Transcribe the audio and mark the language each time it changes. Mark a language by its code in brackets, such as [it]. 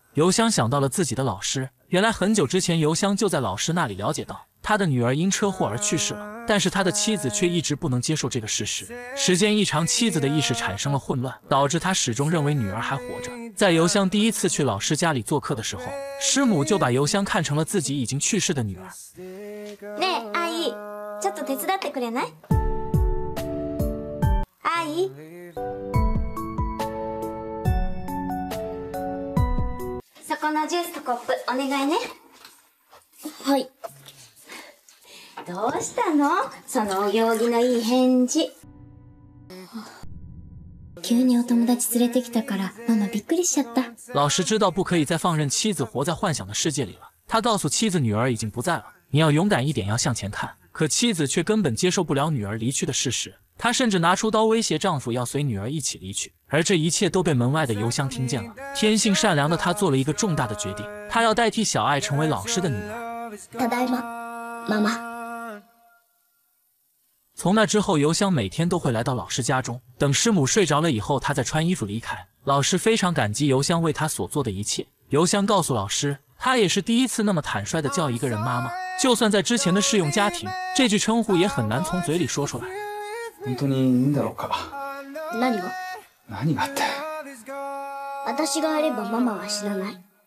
[zh] 邮箱想到了自己的老师，原来很久之前邮箱就在老师那里了解到他的女儿因车祸而去世了，但是他的妻子却一直不能接受这个事实。时间一长，妻子的意识产生了混乱，导致他始终认为女儿还活着。在邮箱第一次去老师家里做客的时候，师母就把邮箱看成了自己已经去世的女儿。 [ja] ねえ、阿姨、ちょっと手伝ってくれない？阿姨。そこのジュースとコップお願いね。はい。どうしたの？そのお行儀のいい返事。急にお友達連れてきたから、ママびっくりしちゃった。 [zh] 老师知道不可以再放任妻子活在幻想的世界里了，他告诉妻子女儿已经不在了，你要勇敢一点，要向前看。可妻子却根本接受不了女儿离去的事实，她甚至拿出刀威胁丈夫要随女儿一起离去。而这一切都被门外的邮箱听见了。天性善良的她做了一个重大的决定，她要代替小爱成为老师的女儿。 [ja] ただいま、妈妈。 [zh] 从那之后，邮箱每天都会来到老师家中，等师母睡着了以后，他再穿衣服离开。老师非常感激邮箱为他所做的一切。邮箱告诉老师，他也是第一次那么坦率地叫一个人妈妈，就算在之前的试用家庭，这句称呼也很难从嘴里说出来。 [ja] 本当にいいんだろうか？何が？何があって？私があればママは死なない。